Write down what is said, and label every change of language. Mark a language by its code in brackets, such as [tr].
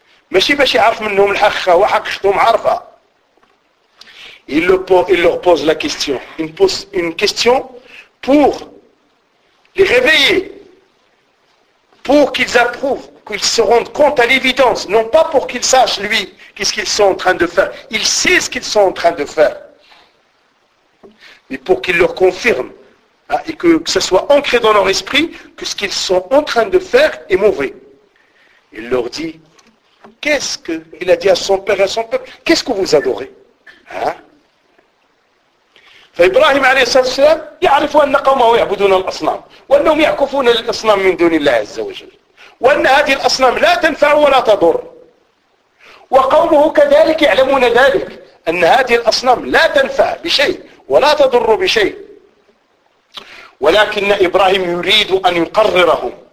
[ar] ماشي باش يعرف منهم الحق هو حق خدهم عارفه [fr] il leur pose la question une question pour les réveiller pour qu'ils approuvent qu'ils se rendent compte à l'évidence non pas pour qu'ils sachent lui qu'est-ce qu'ils sont en train de faire il sait ce qu'ils sont en train de faire mais pour qu'il leur confirme et que ce soit ancré dans leur esprit que ce qu'ils sont en train de faire est mauvais. Il leur dit, qu'est-ce que... Il a dit à son père et à son peuple, qu'est-ce que vous adorez hein? [ar] Ibrahim alayhi sallam, يعرفوا أن قومه يعبدون الأصنام وأنهم يعكفون الأصنام من دون الله عز وجل وأن هذه الأصنام لا تنفع ولا تضر وقومه كذلك يعلمون ذلك أن هذه الأصنام لا تنفع بشيء ولا تضر بشيء ولكن إبراهيم يريد أن يقررهم